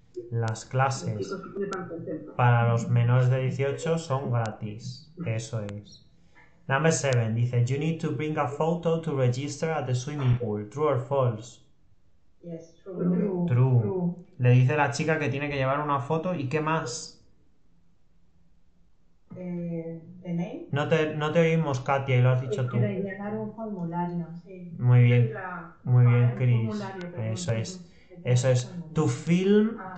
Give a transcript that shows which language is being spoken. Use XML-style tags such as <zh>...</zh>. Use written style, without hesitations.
<es>Las clases para los menores de 18 son gratis. Eso es.</es> <en>Number 7</en> <es>dice:</es> <en>You need to bring a photo to register at the swimming pool. True or false? Yes, true.</en> <es>Le dice la chica que tiene que llevar una foto. ¿Y qué más?</es> <en>The name.</en> <es>No te oímos, Katia, y lo has dicho tú. Llenar un formulario, sí. Muy bien. Muy bien, Chris. Eso es. Eso es.</es> <en>To fill.</en>